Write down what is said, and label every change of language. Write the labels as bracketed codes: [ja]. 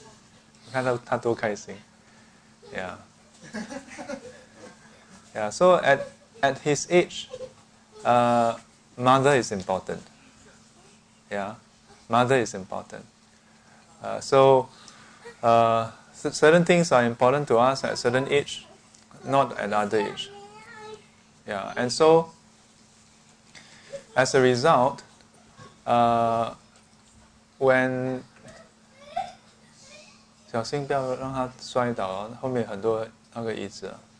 [zh] 我们把这段话录下来了，以后不要因为有了老婆，不要妈妈了。你看他想想一想，还是不要妈妈。哦，又来了，你看快乐的小孩，你看他多开心，yeah. [en] Yeah, so at his age, mother is important. Yeah, mother is important. So certain things are important to us at a certain age, not at other age. Yeah, and so as a result, when [zh] 小心不要让他摔倒，后面很多那个椅子。